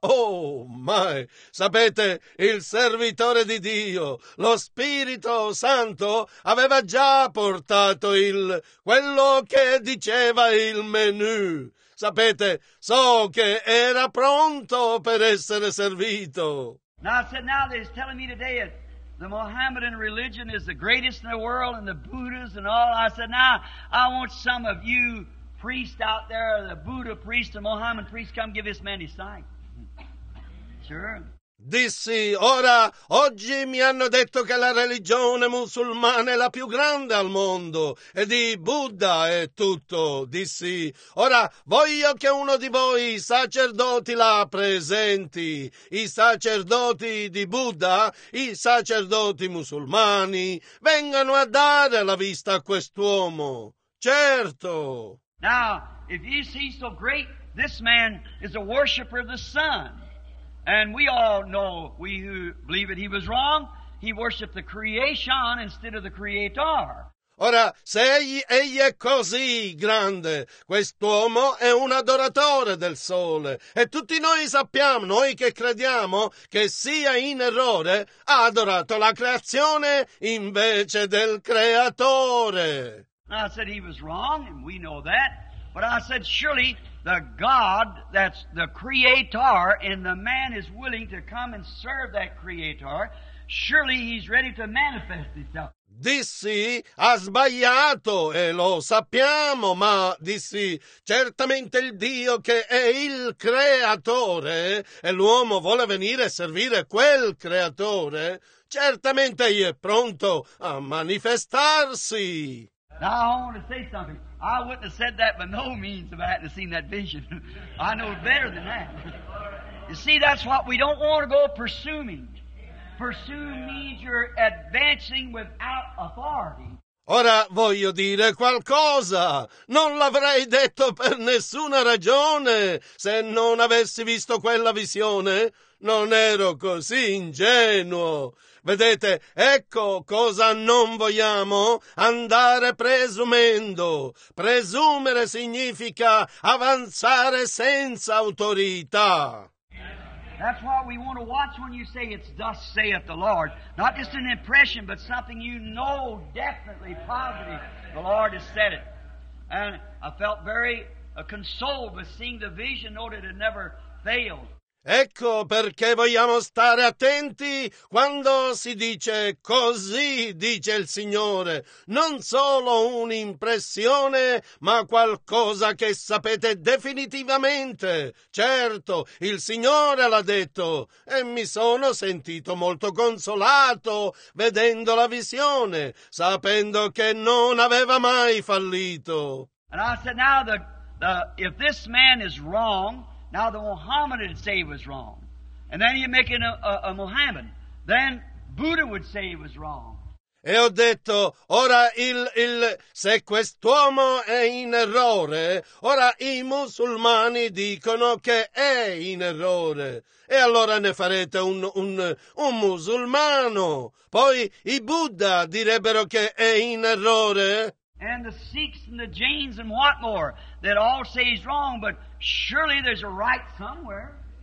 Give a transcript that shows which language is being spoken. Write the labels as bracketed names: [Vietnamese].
[Italian] Oh, mai! Sapete, il servitore di Dio, lo Spirito Santo, aveva già portato quello che diceva il menù. Sapete, so che era pronto per essere servito. [English] Now, I said, now they're telling me today that the Mohammedan religion is the greatest in the world and the Buddhas and all. I said, now I want some of you priests out there, the Buddha priest, the Mohammedan priest, come give this man his sign. Sure. [Italian] Dissi, ora, oggi mi hanno detto che la religione musulmana è la più grande al mondo, e di Buddha è tutto. Dissi, ora, voglio che uno di voi sacerdoti la presenti, i sacerdoti di Buddha, i sacerdoti musulmani, vengano a dare la vista a quest'uomo. Certo! [English] Now, if you see so great, this man is a worshipper of the sun. And we all know, we who believe it, he was wrong. He worshipped the creation instead of the creator. [Italian] Ora, se egli è così grande, quest'uomo è un adoratore del sole. E tutti noi sappiamo, noi che crediamo, che sia in errore, ha adorato la creazione invece del creatore. [English] I said he was wrong, and we know that. But I said, surely the God that's the creator and the man is willing to come and serve that creator, surely he's ready to manifest himself. [Italian] Dissi, ha sbagliato e lo sappiamo, ma dissi, certamente il Dio che è il creatore e l'uomo vuole venire a servire quel creatore, certamente egli è pronto a manifestarsi. [English] Now I want to say something. I wouldn't have said that by no means if I hadn't seen that vision. I know better than that. You see, that's what we don't want to go pursuing. Pursue means you're advancing without authority. [Italian] Ora voglio dire qualcosa. Non l'avrei detto per nessuna ragione se non avessi visto quella visione. Non ero così ingenuo. Vedete, ecco cosa non vogliamo, andare presumendo. Presumere significa avanzare senza autorità. [English] That's what we want to watch when you say it's thus saith the Lord. Not just an impression, but something you know definitely, positively, the Lord has said it. And I felt very consoled by seeing the vision, know that it never failed. [Italian] Ecco perché vogliamo stare attenti quando si dice così, dice il Signore. Non solo un'impressione, ma qualcosa che sapete definitivamente. Certo, il Signore l'ha detto e mi sono sentito molto consolato vedendo la visione, sapendo che non aveva mai fallito. [English] And I said, now if this man is wrong, now the Mohammedan would say he was wrong. And then you make it a Mohammedan. Then Buddha would say he was wrong. [Italian] E ho detto, ora se quest'uomo è in errore, ora i musulmani dicono che è in errore. E allora ne farete un musulmano. Poi i Buddha direbbero che è in errore. [English] And the Sikhs and the Jains and what more, that all say he's wrong, but surely there's a right somewhere.